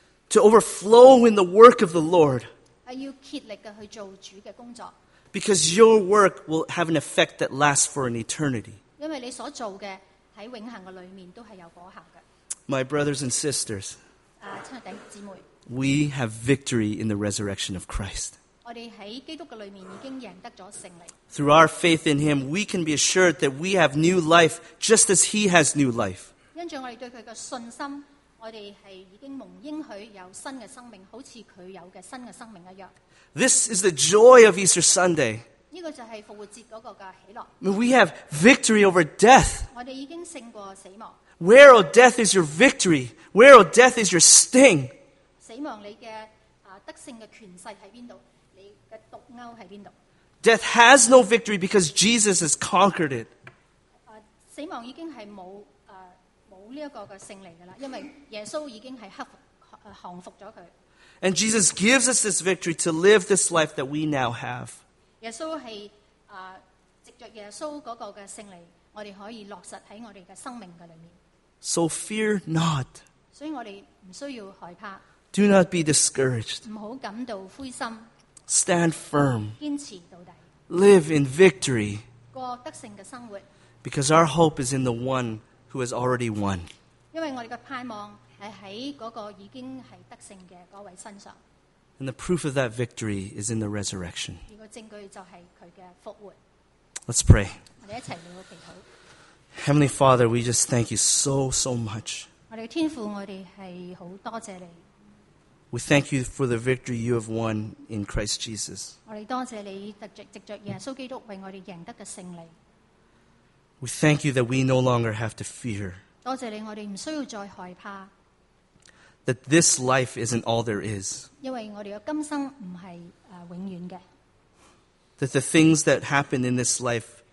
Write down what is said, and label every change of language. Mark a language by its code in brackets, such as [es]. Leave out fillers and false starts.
[en] To overflow in the work of the Lord. [zh] 要竭力的去做主的工作。 [en] Because your work will have an effect that lasts for an eternity. [zh] 因为你所做的在永恒的里面都是有果效的。 [en] My brothers and sisters, [zh] 亲爱的弟兄姊妹， [en] we have victory in the resurrection of Christ. [zh] 我们在基督的里面已经赢得了胜利。 [en] Through our faith in Him, we can be assured that we have new life just as He has new life. [zh] 因着我们对他的信心，我们是已经蒙应许有新的生命，好像他有的新的生命一样。 [en] This is the joy of Easter Sunday. [zh] 这个就是复活节那个的喜乐。 [en] We have victory over death. [zh] 我们已经胜过死亡。 [en] Where, O death, is your victory? Where, O death, is your sting? [zh] 死亡你的得胜的权势在哪里？你的毒钩在哪里？ [en] Death has no victory because Jesus has conquered it. [zh] 死亡已经是没有这个的胜利了，因为耶稣已经是降服了他。 [en] And Jesus gives us this victory to live this life that we now have. [zh] 耶稣是藉着耶稣那个的胜利，我们可以落实在我们的生命的里面。 [en] So fear not. [zh] 所以我们不需要害怕。 [en] Do not be discouraged. [zh] 不要感到灰心。 [en] Stand firm. [zh] 坚持到底。 [en] Live in victory. [zh] 过得胜的生活。 [en] Because our hope is in the one who has already won. [zh] 因为我们的盼望是在那个已经是得胜的那位身上。 [en] And the proof of that victory is in the resurrection. [zh] 这个证据就是他的复活。 [en] Let's pray. [zh] 我们一起来祈祷。 [en] Heavenly Father, we just thank you so, so much. [zh] 我们的天父，我们是很多谢你。 [en] We thank you for the victory you have won in Christ Jesus. [zh] 我们多谢你藉着耶稣基督为我们赢得的胜利。 [en] We thank you that we no longer have to fear. [zh] 多谢你，我们不需要再害怕。 [en] That this life isn't all there is. [zh] 因为我们的今生不是永远的。 [en] That the things that happen in this life,